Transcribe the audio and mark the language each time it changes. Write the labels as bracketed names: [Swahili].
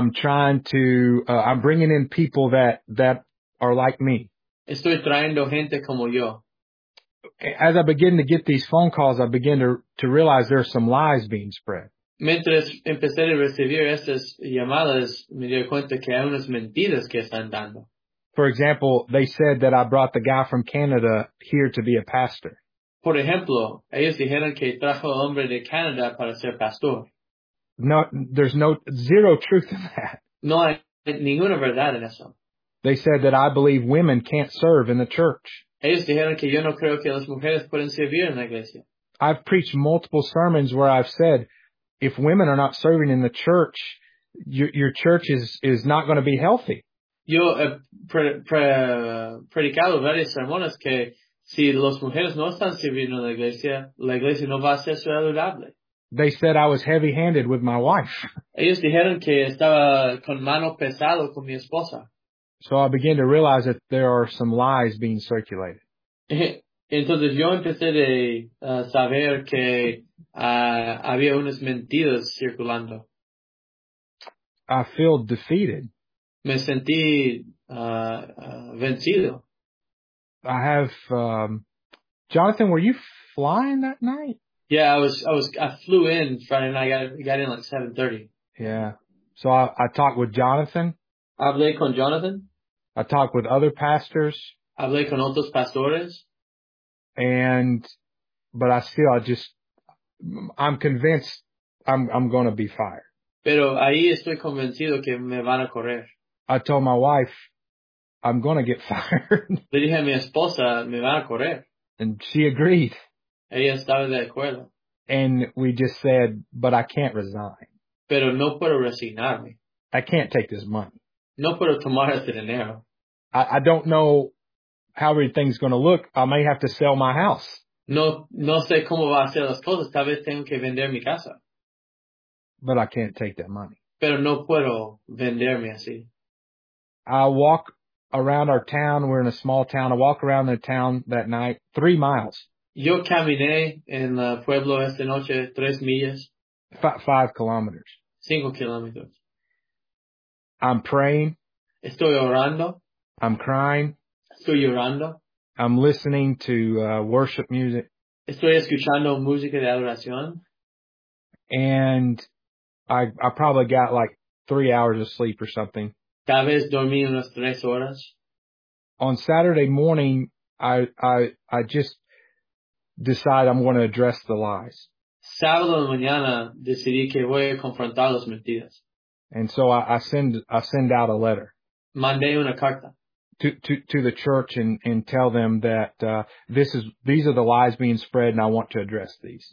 [English] I'm bringing in people that are like me. [Spanish] Estoy trayendo gente como yo. [English] As I begin to get these phone calls, I begin to realize there are some lies being spread. [Spanish] Mientras empecé a recibir estas llamadas, me di cuenta que hay unas mentiras que están dando. [English] For example, they said that I brought the guy from Canada here to be a pastor. [Spanish] Por ejemplo, ellos dijeron que trajo al hombre de Canadá para ser pastor. [English] No, there's no zero truth in that. [Spanish] No hay ninguna verdad en eso. [English] They said that I believe women can't serve in the church. [Spanish] Ellos dijeron que yo no creo que las mujeres pueden servir en la iglesia. [English] I've preached multiple sermons where I've said, if women are not serving in the church, your church is not going to be healthy. [Spanish] Yo he predicado varios sermones que si las mujeres no están sirviendo en la iglesia no va a ser saludable. [English] They said I was heavy-handed with my wife. [Spanish] Ellos dijeron que estaba con mano pesado con mi esposa. [English] So I began to realize that there are some lies being circulated. [Spanish] Entonces yo empecé a saber que había unas mentiras circulando. [English] I feel defeated. [Spanish] Me sentí vencido. [English] I have, Jonathan, were you flying that night? Yeah, I flew in Friday night. I got in like 7:30. Yeah. So I talked with Jonathan. [Spanish] Hablé con Jonathan. [English] I talked with other pastors. [Spanish] Hablé con otros pastores. [English] I'm convinced I'm going to be fired. [Spanish] Pero ahí estoy convencido que me van a correr. [English] I told my wife, I'm going to get fired. [Spanish] Le dije a mi esposa, me van a correr. [English] And she agreed. [Spanish] Ella estaba de acuerdo. [English] And we just said, but I can't resign. [Spanish] Pero no puedo resignarme. [English] I can't take this money. [Spanish] No puedo tomar este dinero. [English] I don't know how everything's going to look. I may have to sell my house. [Spanish] No sé cómo va a ser las cosas. Tal vez tengo que vender mi casa. [English] But I can't take that money. [Spanish] Pero no puedo venderme así. [English] I walk around our town. We're in a small town. I walk around the town that night, 3 miles. [Spanish] Yo caminé en el pueblo esta noche 3 millas. [English] 5 kilometers. [Spanish] 5 kilómetros. [English] I'm praying. [Spanish] Estoy orando. [English] I'm crying. [Spanish] Estoy llorando. [English] I'm listening to worship music. [Spanish] Estoy escuchando música de adoración. [English] And I probably got like 3 hours of sleep or something. [Spanish] Tal vez dormí unas 3 horas. [English] On Saturday morning, I just decide I'm going to address the lies. [Spanish] Sábado de mañana decidí que voy a confrontar las mentiras. [English] And so I send out a letter. [Spanish] Mandé una carta. [English] To the church and tell them that these are the lies being spread and I want to address these.